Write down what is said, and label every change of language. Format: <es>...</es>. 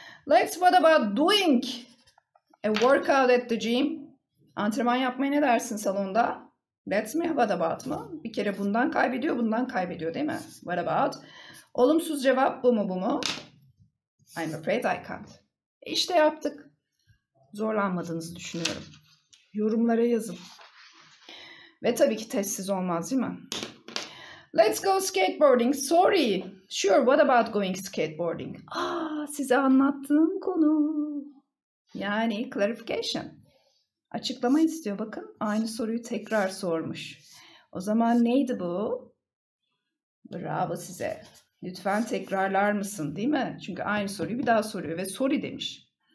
<en>Let's what about doing a workout at the gym?</en> <tr>Antrenman yapmaya ne dersin salonda? Let's mi what about mı? Bir kere bundan kaybediyor, bundan kaybediyor değil mi? What about? Olumsuz cevap bu mu bu mu?</tr> <en>I'm afraid I can't.</en> <tr>İşte yaptık. Zorlanmadığınızı düşünüyorum. Yorumlara yazın. Ve tabii ki testsiz olmaz değil mi?</tr> <en>Let's go skateboarding. Sorry. Sure, what about going skateboarding?</en> <tr>Aa, size anlattığım konu. Yani clarification. Açıklama istiyor bakın. Aynı soruyu tekrar sormuş. O zaman neydi bu? Bravo size. Lütfen tekrarlar mısın değil mi? Çünkü aynı soruyu bir daha soruyor ve sorry demiş.</tr>